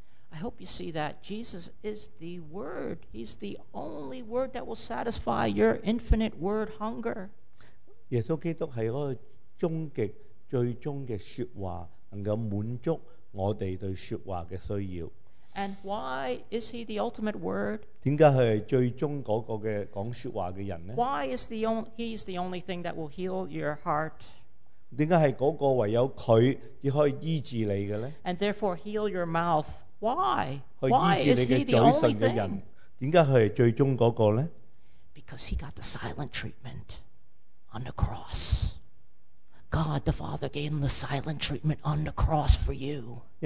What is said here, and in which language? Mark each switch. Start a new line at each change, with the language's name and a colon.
English: I hope you see that Jesus is the Word. He's the only Word that will satisfy your infinite Word hunger.
Chinese: 耶稣基督是一个终极、最终的说话。能够满足我们对说话的需要。
English: And why is he the ultimate word?
Chinese: 为什么他是最终那个讲说话的人呢？
English: Why is he's the only thing that will heal your heart?
Chinese: 为什么是那个唯有他可以医治你的呢？
English: And therefore heal your mouth. Why? Why is he the only thing? Because he got the silent treatment on the cross. God the Father gave him the silent treatment on the cross for you.